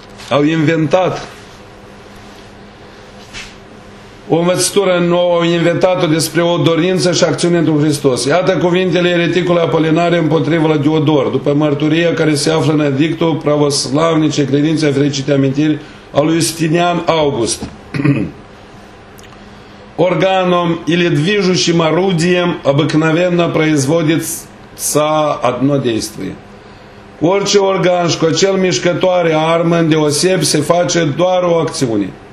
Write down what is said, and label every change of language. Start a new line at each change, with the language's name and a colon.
Romanian: au inventat o învățătură nouă, au inventat-o despre o dorință și acțiune într-un Hristos. Iată cuvintele ereticului Apolinare împotriva la Diodor, după mărturia care se află în edictul pravoslavnice credințe fericite amintiri al lui Justinian August.
Russian: Organom или движущим орудием обыкновенно производится одно действие.
Romanian: Orice organ și cu acel mișcătoare armă îndeoseb se face doar o acțiune.